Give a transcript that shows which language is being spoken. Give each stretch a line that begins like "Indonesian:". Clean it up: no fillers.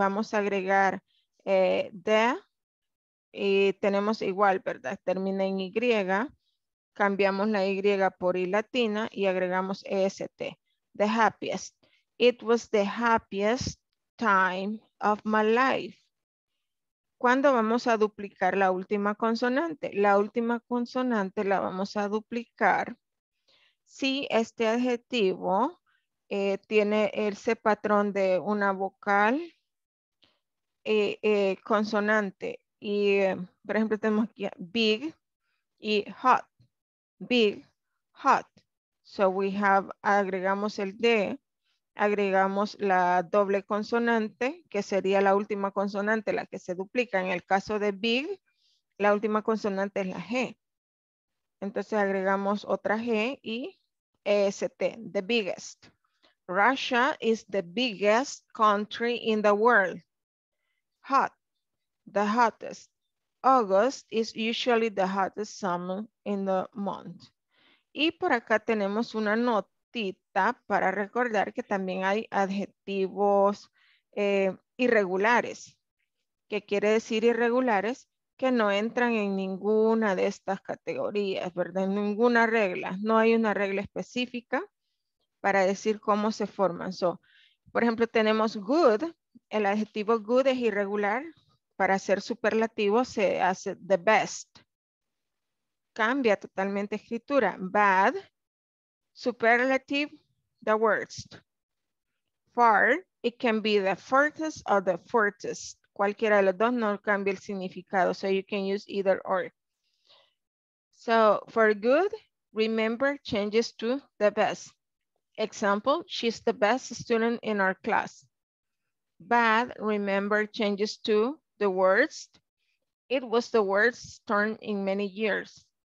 Spanish: Vamos a agregar the y tenemos igual, ¿verdad? Termina en Y, cambiamos la Y por I latina y agregamos EST.
English: The happiest. It was the happiest time of my life.
Spanish: ¿Cuándo vamos a duplicar la última consonante? La última consonante la vamos a duplicar si este adjetivo tiene ese patrón de una vocal consonante y por ejemplo tenemos aquí big y hot, big, hot,
English: so we have,
Spanish: agregamos el D, agregamos la doble consonante que sería la última consonante, la que se duplica, en el caso de big la última consonante es la G, entonces agregamos otra G y EST,
English: the biggest. Russia is the biggest country in the world. Hot, the hottest. August is usually the hottest summer in the month.
Spanish: Y por acá tenemos una notita para recordar que también hay adjetivos irregulares. ¿Qué quiere decir irregulares? Que no entran en ninguna de estas categorías, ¿verdad? En ninguna regla. No hay una regla específica para decir cómo se forman. So, por ejemplo, tenemos good. El adjetivo good es irregular. Para ser superlativo se hace the best. Cambia totalmente escritura.
English: Bad, superlative, the worst. far, it can be the furthest or the furthest.
Spanish: Cualquiera de los dos no cambia el significado.
English: So you can use either or. So for good, remember changes to the best. Example, she's the best student in our class. Bad, remember changes to the worst. It was the worst turn in many years.